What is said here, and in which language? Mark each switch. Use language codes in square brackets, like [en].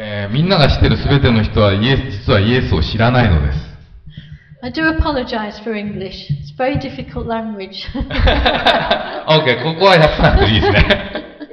[ja] みんなが知ってるすべての人はイエス、実はイエスを知らないのです。 [en] I do apologize for English. It's a very difficult language. [ja] Okay, ここは100%いいですね。